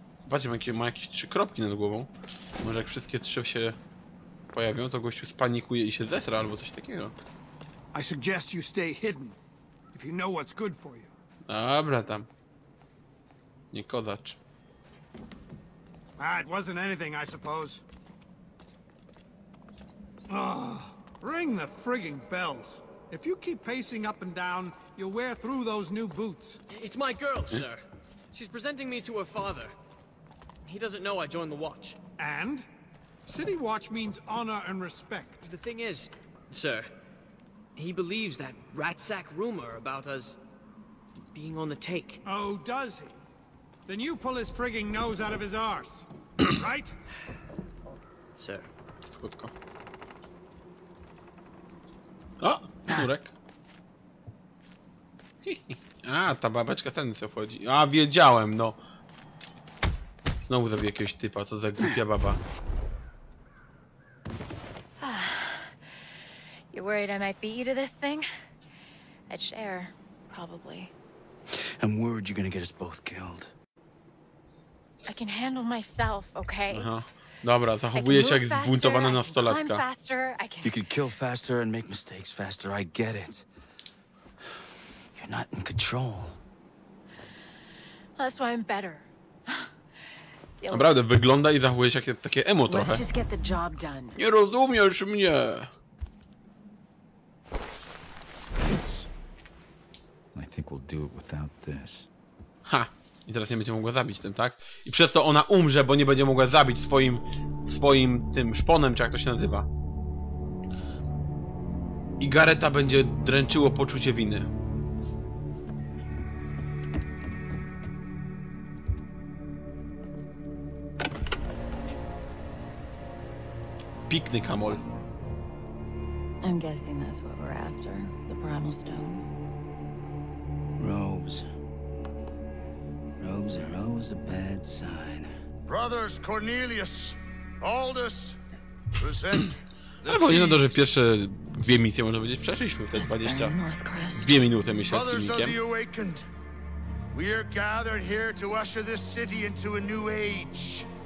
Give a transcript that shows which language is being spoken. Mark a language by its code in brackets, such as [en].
[pl] Patrzcie, ma jakieś trzy kropki nad głową. Może jak wszystkie trzy się pojawią, to gościu spanikuje i się zesra albo coś takiego. [en] I suggest you stay hidden, if you know what's good for you. [pl] Dobra tam. Nie kozacz. [en] It wasn't anything, I suppose. Ring the frigging bells. If you keep pacing up and down, you'll wear through those new boots. It's my girl, sir. She's presenting me to her father. He doesn't know I joined the watch. And? City watch means honor and respect. The thing is, sir, he believes that ratsack rumor about us being on the take. Oh, does he? Then you pull his frigging nose out of his arse, right? Sir. [pl] Skutko. O, córek. A, ta babeczka ten co wchodzi. A, wiedziałem, no. Znowu zrobi jakiegoś typa, co za głupia baba. [en] You worried I might beat you to this thing? I'd share, probably. I'm worried you're gonna get us both killed. I can handle myself, okay? [pl] Dobra, zachowuje się jak zbuntowana nastolatka. [en] You could kill faster and make mistakes faster, I get it. You're not in control. Well, that's why I'm better. [pl] Naprawdę, wygląda i zachowuje się jak takie emo trochę. [en] Let's just get the job done. [pl] Nie rozumiesz mnie! [en] I think we'll do it without this. Ha! [pl] I teraz nie będzie mogła zabić tym, tak? I przez to ona umrze, bo nie będzie mogła zabić swoim tym szponem, czy jak to się nazywa. I Garetha będzie dręczyło poczucie winy. Piękny kamol. [en] I'm guessing that's what we're after. The primal stone. Robes. dreams are always a bad sign. Brothers Cornelius, Aldous, present. [pl] Ale powinno to, że pierwsze dwie misje, można powiedzieć, przeszliśmy w te 22 minuty, myślę, z filmikiem. [en] We are gathered here to usher this city into a new age.